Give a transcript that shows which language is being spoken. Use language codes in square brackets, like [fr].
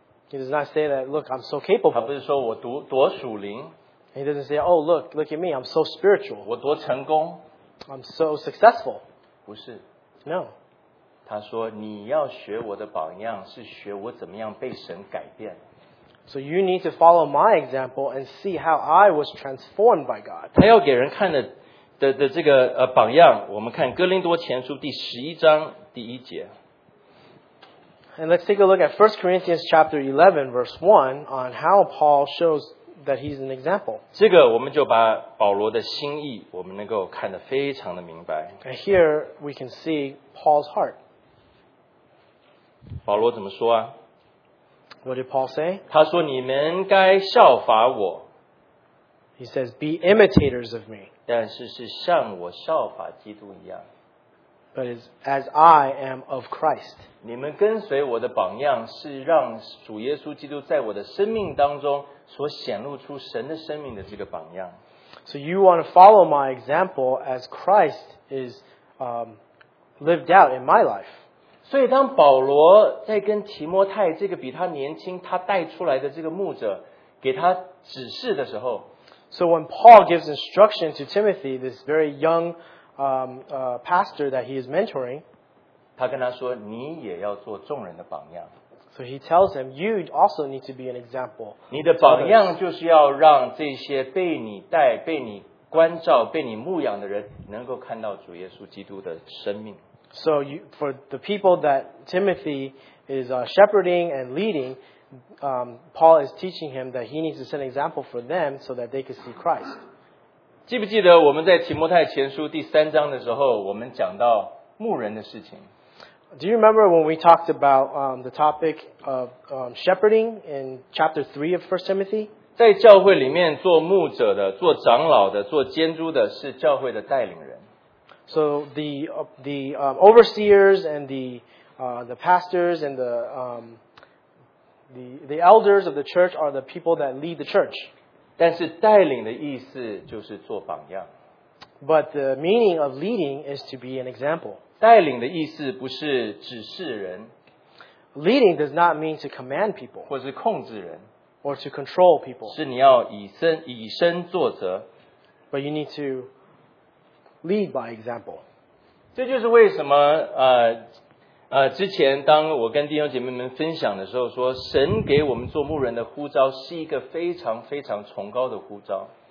[en] He does not say that, look, I'm so capable. [zh] 他不是说我多属灵。 [en] He doesn't say, oh, look at me, I'm so spiritual. [zh] 我多成功。 [en] I'm so successful. [zh] 不是。 [en] No. [zh] 他说你要学我的榜样是学我怎么样被神改变。 [en] So you need to follow my example and see how I was transformed by God. [zh] 他要给人看 的这个榜样我们看哥林多前书第十一章第一节。 [en] And let's take a look at 1 Corinthians chapter 11 verse 1 on how Paul shows that he's an example. [zh] 这个我们就把保罗的心意我们能够看得非常的明白。 [en] And here we can see Paul's heart. [zh] 保罗怎么说啊? [en] What did Paul say? [zh] 他说你们该效法我。 [en] He says, be imitators of me. [zh] 但是是像我效法基督一样。 [en] but is as I am of Christ. [zh] 你们跟随我的榜样是让主耶稣基督在我的生命当中所显露出神的生命的这个榜样。 [en] So you want to follow my example as Christ is lived out in my life. [zh] 所以当保罗在跟提摩太这个比他年轻他带出来的这个牧者给他指示的时候 [en] So when Paul gives instruction to Timothy, this very young pastor that he is mentoring, [zh] 他跟他说你也要做众人的榜样。 [en] So he tells him, you also need to be an example. [zh] 你的榜样就是要让这些被你带、被你关照、被你牧养的人能够看到主耶稣基督的生命。 [en] So you, for the people that Timothy is shepherding and leading, Paul is teaching him that he needs to set an example for them so that they can see Christ. [zh] 记不记得我们在提摩太前书第三章的时候我们讲到牧人的事情。 [en] Do you remember when we talked about the topic of shepherding in chapter 3 of 1 Timothy? [zh] 在教会里面做牧者的、做长老的、做监督的是教会的带领人。 [en] So the overseers and the pastors and the elders of the church are the people that lead the church. [zh] 但是带领的意思就是做榜样。 [en] But the meaning of leading is to be an example. [zh] 带领的意思不是指示人。 [en] Leading does not mean to command people. [zh] 或是控制人。 [en] Or to control people. [zh] 是你要以身作则。 [en] But you need to lead by example. [zh] 这就是为什么之前当我跟弟兄姐妹们分享的时候说神给我们做牧人的呼召是一个非常非常崇高的呼召。